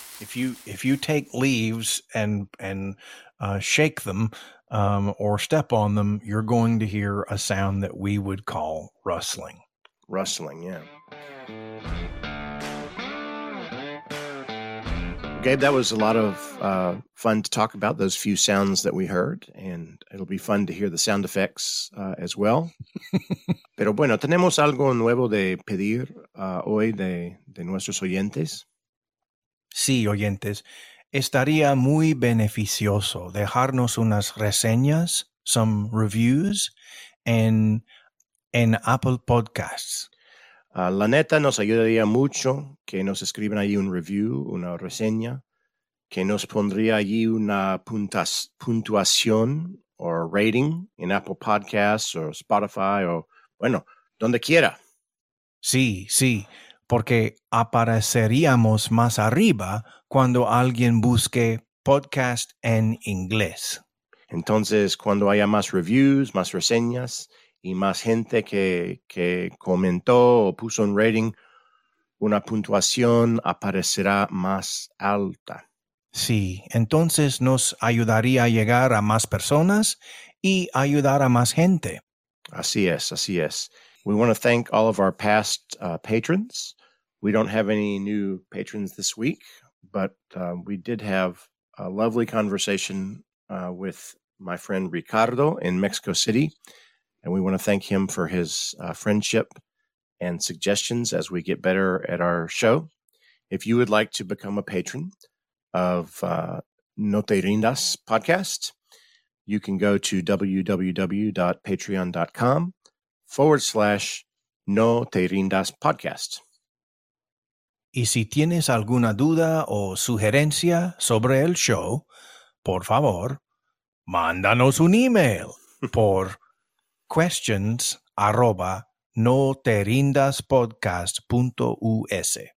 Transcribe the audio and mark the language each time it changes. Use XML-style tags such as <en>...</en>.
<en>If you take leaves and shake them or step on them, you're going to hear a sound that we would call rustling. Rustling, yeah. Gabe, that was a lot of fun to talk about, those few sounds that we heard, and it'll be fun to hear the sound effects as well.</en> <es>Pero bueno, tenemos algo nuevo de pedir hoy de nuestros oyentes. Sí, oyentes. Estaría muy beneficioso dejarnos unas reseñas,</es> <en>some reviews,</en> <es>en Apple Podcasts. La neta, nos ayudaría mucho que nos escriban ahí un review, una reseña, que nos pondría allí una puntuación o rating en Apple Podcasts o Spotify o, bueno, donde quiera. Sí, sí, porque apareceríamos más arriba cuando alguien busque podcast en inglés. Entonces, cuando haya más reviews, más reseñas, y más gente que comentó o puso un rating, una puntuación aparecerá más alta. Sí, entonces nos ayudaría a llegar a más personas y ayudar a más gente. Así es, así es.</es> <en>We want to thank all of our past patrons. We don't have any new patrons this week, but we did have a lovely conversation with my friend Ricardo in Mexico City. And we want to thank him for his friendship and suggestions as we get better at our show. If you would like to become a patron of No Te Rindas podcast, you can go to www.patreon.com/No Te Rindas podcast.</en> <es>Y si tienes alguna duda o sugerencia sobre el show, por favor, mándanos un email por questions@noterindaspodcast.us.</es>